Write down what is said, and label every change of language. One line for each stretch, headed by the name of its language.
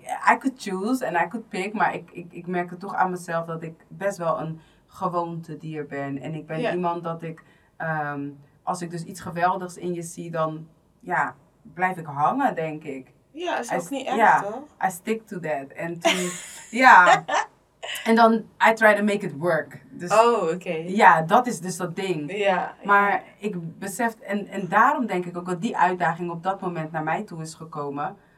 English: I could choose
Dutch: en
English: I could pick,
Dutch: maar ik merkte toch aan mezelf dat ik best wel een gewoonte dier ben. En ik ben iemand dat ik, als ik dus iets geweldigs in je zie, dan blijf ik hangen, denk ik. Ja, is ook niet erg, toch?
English: I stick to that.
Dutch: En toen, ja. En dan,
English: I try to make it work.
Dutch: Dus, oh, oké. Okay. Ja, dat is dus dat ding. Ja. Maar ik besef, en daarom denk ik ook dat die uitdaging op dat moment naar mij toe is gekomen.